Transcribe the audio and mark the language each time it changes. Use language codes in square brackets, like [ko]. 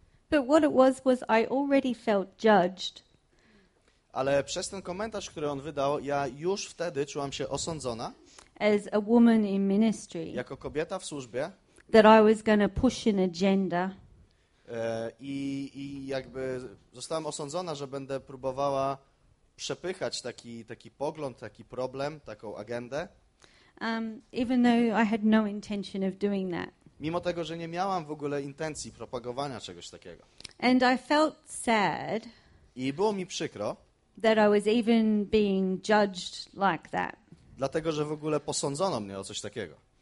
[en] But what it was I already felt judged. [pl] Ale przez ten komentarz, który on wydał, ja już wtedy czułam się osądzona. [en] As a woman in ministry. [pl] Jako kobieta w służbie. [en] That I was going to push an agenda. [pl] I jakby zostałam osądzona, że będę próbowała przepychać taki pogląd, taki problem, taką agendę. [en] Even though I had no intention of doing that. [pl] Mimo tego, że nie miałam w ogóle intencji propagowania czegoś takiego. [en] And I felt sad. [pl] I było mi przykro. [en] That I was even being judged like that. [pl] Dlatego, że w ogóle posądzono mnie o coś takiego.